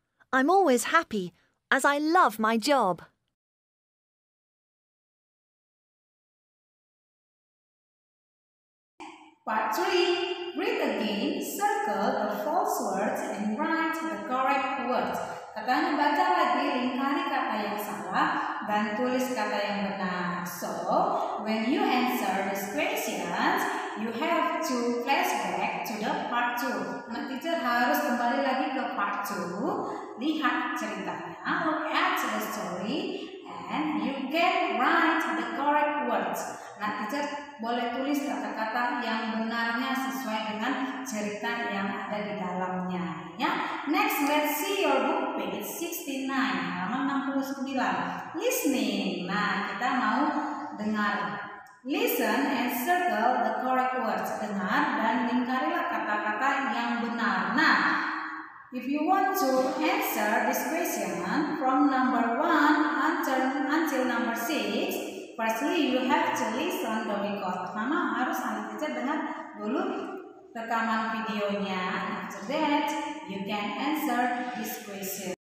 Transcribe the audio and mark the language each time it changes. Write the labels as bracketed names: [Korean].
[English] I'm always happy, as I love my job. Part 3. Read again, circle the false words and write the correct words. [Indonesian] Katanya baca lagi, lingkari kata yang salah dan tulis kata yang benar. [English] So, when you answer these questions, you have to flashback to the part 2. [Indonesian] Anak teacher harus kembali lagi ke part 2. Lihat ceritanya, [English] look at the story, and you can write the correct words. [Indonesian] Anak teacher boleh tulis kata-kata yang benarnya sesuai dengan cerita yang ada di dalamnya. Ya. [English] Next, let's see your book page 69, [Indonesian] halaman 69. [English] Listening. [Indonesian] Nah, kita mau dengar. [English] Listen and circle the correct words. [Indonesian] Dengar dan lingkarilah kata-kata yang benar. [English] Nah, if you want to answer this question from number 1 until number 6, firstly, you have to listen the record. [Indonesian] Mama harus anak teacher dengar dulu rekaman videonya. [English] After that, you can answer this question.